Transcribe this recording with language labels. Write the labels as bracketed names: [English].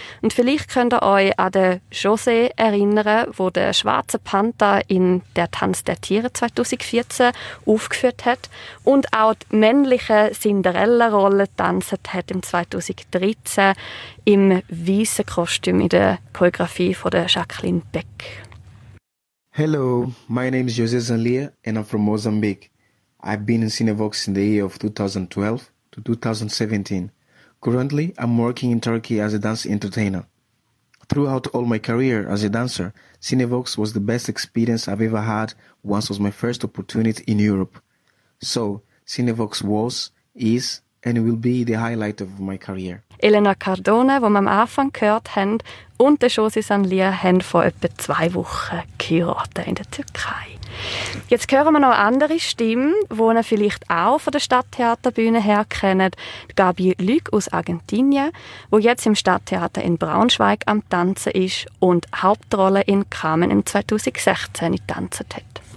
[German] Und vielleicht könnt ihr euch an den José erinnern, wo der Schwarze Panther in «Der Tanz der Tiere» 2014 aufgeführt hat und auch die männliche Cinderella-Rolle getanzt hat im 2013 im weißen Kostüm in der Choreografie von der Jacqueline Beck. [English] Hello, my name is José Zanlia and I'm from Mozambique. I've been in Cinevox in the year of 2012 to 2017. Currently, I'm working in Turkey as a dance entertainer. Throughout all my career as a dancer, Cinevox was the best experience I've ever had once it was my first opportunity in Europe. So, Cinevox was, is and will be the highlight of my career. [German] Elena Cardone, die wir am Anfang gehört haben, und der José Zanlia haben vor etwa 2 Wochen geheiratet in der Türkei. Jetzt hören wir noch andere Stimmen, die ihr vielleicht auch von der Stadttheaterbühne her kennt. Gabi Lüg aus Argentinien, die jetzt im Stadttheater in Braunschweig am Tanzen ist und Hauptrolle in Carmen im 2016 getanzt hat.